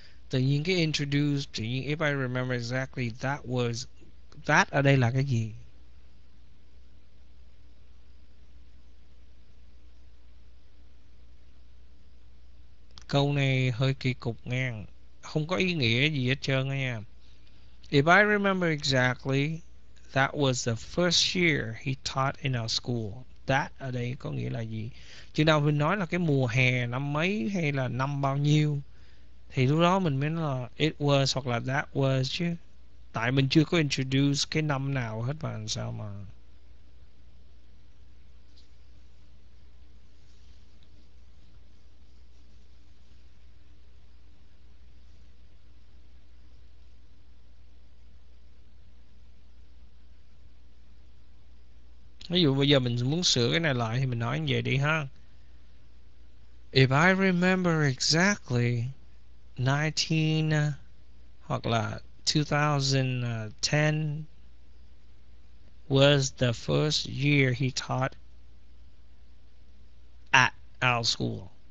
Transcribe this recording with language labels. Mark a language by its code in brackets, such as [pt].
[vi] Tự nhiên cái introduced, tự nhiên [en] if I remember exactly, that was that [vi] ở đây là cái gì? Câu này hơi kỳ cục ngang, không có ý nghĩa gì hết trơn nha. [en] If I remember exactly, that was the first year he taught in our school. [vi] That ở đây có nghĩa là gì? Chừng nào mình nói là cái mùa hè năm mấy hay là năm bao nhiêu thì lúc đó mình mới nói là it was hoặc là that was chứ. Tại mình chưa có introduce cái năm nào hết mà làm sao mà. Ví dụ bây giờ mình muốn sửa cái này lại thì mình nói như vậy đi ha. [en] If I remember exactly 19 [vi] hoặc là [en] 2010 was the first year he taught at our school.